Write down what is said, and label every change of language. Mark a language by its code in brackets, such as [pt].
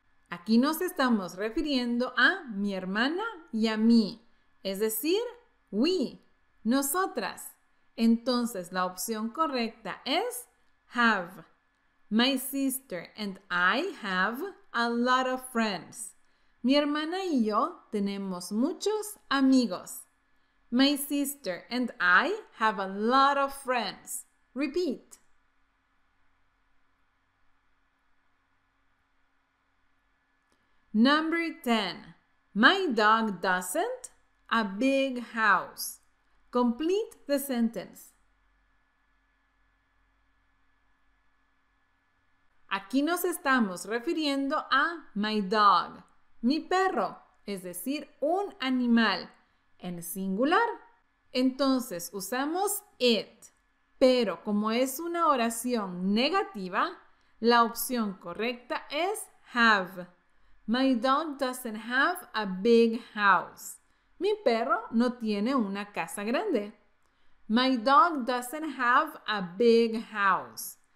[es] Aquí nos estamos refiriendo a mi hermana y a mí. Es decir, we, nosotras. Entonces, la opción correcta es have. [en] My sister and I have a lot of friends. [es] Mi hermana y yo tenemos muchos amigos. [en] My sister and I have a lot of friends. Repeat. Number 10. My dog doesn't a big house. Complete the sentence. [es] Aquí nos estamos refiriendo a [en] my dog, [es] mi perro, es decir, un animal en singular. Entonces usamos it, pero como es una oración negativa, la opción correcta es have. [en] My dog doesn't have a big house. [es] Mi perro no tiene una casa grande. [en] My dog doesn't have a big house.